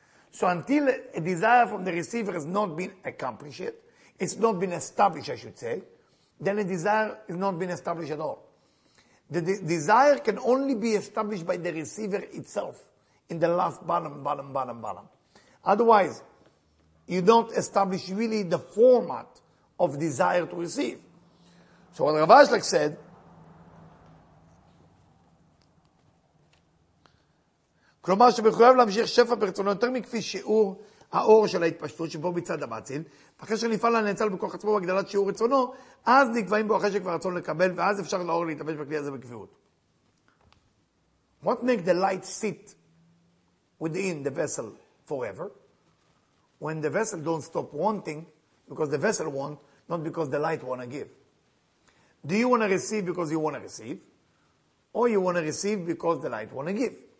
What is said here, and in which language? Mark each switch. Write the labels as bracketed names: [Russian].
[English] So until a desire from the receiver has not been accomplished yet, it's not been established, I should say, then a desire has not been established at all. The desire can only be established by the receiver itself in the last balam. Otherwise, you don't establish really the format of desire to receive. So what Rav Ashlag said, [Hebrew] כלומר שמחויב להמשיך שפע ברצונו יותר מכפי שיעור האור של ההתפשטות שבו מצד המציל, אחרי שנפעל הנאצל בכוח עצמו בהגדלת שיעור רצונו, אז נקבעים בו אחרי שכבר רצון לקבל, ואז אפשר לאור להתאבש בכלי הזה בקביעות. [English] What makes the light sit within the vessel forever? When the vessel don't stop wanting, because the vessel want, not because the light want to give. Do you want to receive because you want to receive? Or you want to receive because the light want to give?